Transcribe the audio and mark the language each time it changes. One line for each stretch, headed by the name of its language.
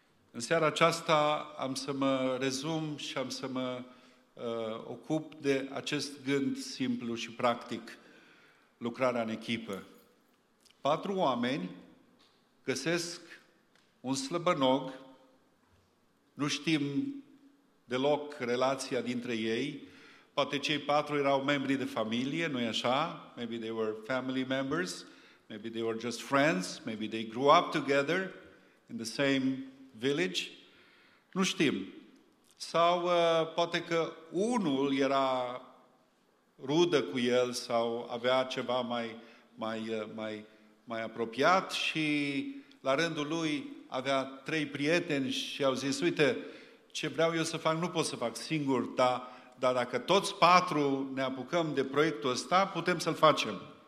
Romanian: În seara aceasta am să mă rezum și am să mă ocup de acest gând simplu și practic, lucrarea în echipă. 4 oameni găsesc un slăbănog, nu știm deloc relația dintre ei, poate cei 4 erau membri de familie, nu-i așa?
English: Maybe they were family members, maybe they were just friends, maybe they grew up together in the same village,
Romanian: nu știm. Sau poate că unul era rudă cu el sau avea ceva mai apropiat și la rândul lui avea 3 prieteni și au zis, uite, ce vreau eu să fac, nu pot să fac singur, dar dacă toți 4 ne apucăm de proiectul ăsta, putem să-l facem.